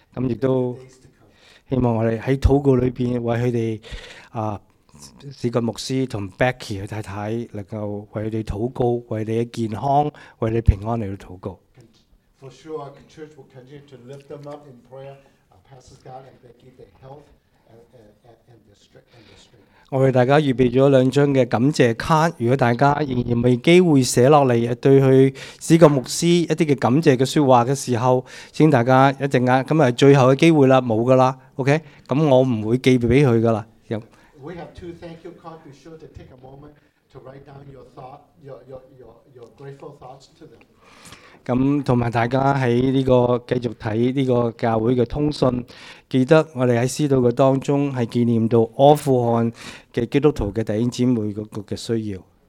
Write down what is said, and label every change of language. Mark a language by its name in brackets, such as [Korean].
[Cantonese] 咁亦都。希望我哋喺祷告里边为佢哋啊，司教牧师同 Becky 佢太太能够为佢哋祷告，为你嘅健康，为你平安嚟到祷告。 [English] For sure, our church will continue to lift them up in prayer. Pastor Scott and Becky, the health and the strength. [Cantonese] 我为大家预备咗两张嘅感谢卡，如果大家仍然未机会写落嚟，对佢司教牧师一啲嘅感谢嘅说话嘅时候，请大家一阵间，咁系最后嘅机会啦，冇噶啦。 OK， 咁我唔會寄俾佢噶啦。有。 [English] We have two thank you cards. Be sure to take a moment to write down your thought, your grateful thoughts to them. [Cantonese] 咁同埋大家喺呢個繼續睇呢個教會嘅通訊，記得我哋喺司禱嘅當中係紀念到阿富汗嘅基督徒嘅弟兄姊妹嗰個嘅需要。